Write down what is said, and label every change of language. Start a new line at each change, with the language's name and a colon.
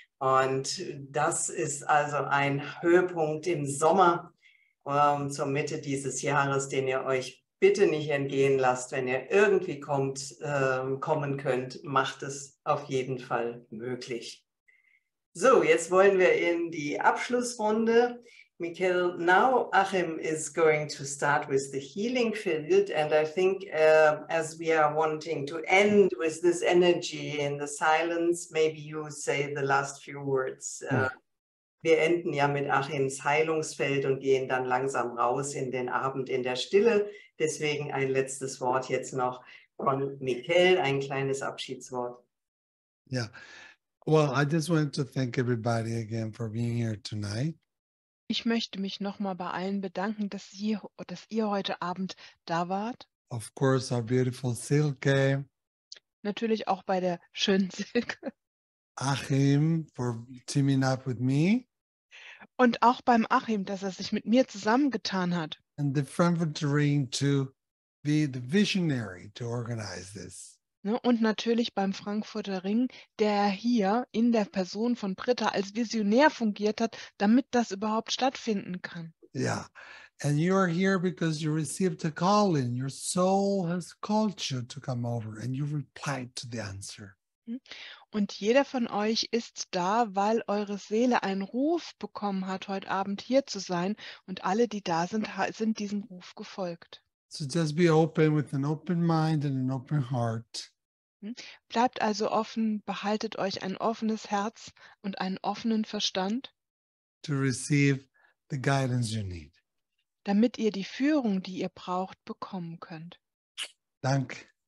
German: Und das ist also ein Höhepunkt im Sommer zur Mitte dieses Jahres, den ihr euch bitte nicht entgehen lasst. Wenn ihr irgendwie kommen könnt, macht es auf jeden Fall möglich. So, jetzt wollen wir in die Abschlussrunde.
English: Miguel, now Achim is going to start with the healing field. And I think as we are wanting to end with this energy in the silence, maybe you say the last few words.
German: Wir enden ja mit Achims Heilungsfeld und gehen dann langsam raus in den Abend in der Stille. Deswegen ein letztes Wort jetzt noch von Miguel, ein kleines Abschiedswort.
English: Yeah. Well, I just want to thank everybody again for being here tonight.
German: Ich möchte mich nochmal bei allen bedanken, dass ihr heute Abend da wart.
English: Of course, our beautiful Silke.
German: Natürlich auch bei der schönen Silke.
English: Achim, for teaming up with me.
German: Und auch beim Achim, dass sich mit mir zusammengetan hat.
English: And the Frankfurterin to be the visionary to organize this.
German: Und natürlich beim Frankfurter Ring, der hier in der Person von Britta als Visionär fungiert hat, damit das überhaupt stattfinden kann.
English: Ja, and you are here because you received a call in. Your soul has called you to come over and you replied to the answer.
German: Und jeder von euch ist da, weil eure Seele einen Ruf bekommen hat, heute Abend hier zu sein. Und alle, die da sind, sind diesem Ruf gefolgt.
English: So just be open with an open mind and an open heart.
German: Bleibt also offen, behaltet euch ein offenes Herz und einen offenen Verstand.
English: To receive the guidance you need.
German: Damit ihr die Führung, die ihr braucht, bekommen könnt. Danke.